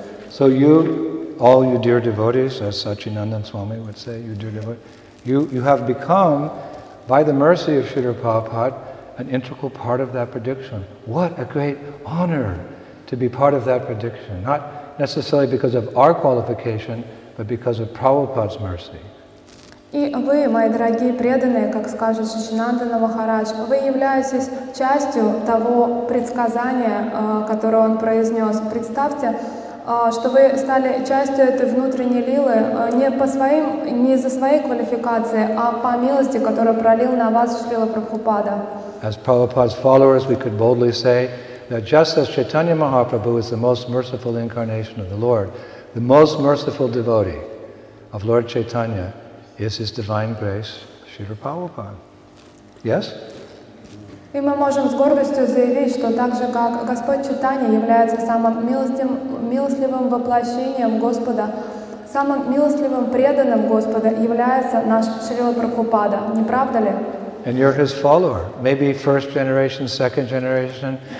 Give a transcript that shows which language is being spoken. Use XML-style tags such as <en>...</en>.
<en>So you, all you dear devotees, as Sachinandan Swami would say, you dear devotees, you have become, by the mercy of Śrīla Prabhupāda, an integral part of that prediction. What a great honor to be part of that prediction. Not necessarily because of our qualification, but because of Prabhupada's mercy.</en> <ru>И вы, мои дорогие преданные, как скажет Шичинандана Махарадж, вы являетесь частью того предсказания, которое он произнес. Представьте, что вы стали частью этой внутренней лилы не по своим, не за своей квалификации, а по милости, которую пролил на вас Шрила Прабхупада.</ru> <en>As Prabhupada's followers, we could boldly say, that just as Chaitanya Mahaprabhu is the most merciful incarnation of the Lord, the most merciful devotee of Lord Chaitanya is His divine grace, Śrīla Prabhupāda. Yes?</en> <ru>И мы можем с гордостью заявить, что так же, как Господь Чайтанья является самым милостливым воплощением Господа, самым милостливым преданным Господа является наш Шрила Прабхупада. Не правда ли?</ru> <en>And you're his follower. Maybe first generation, second generation.</en>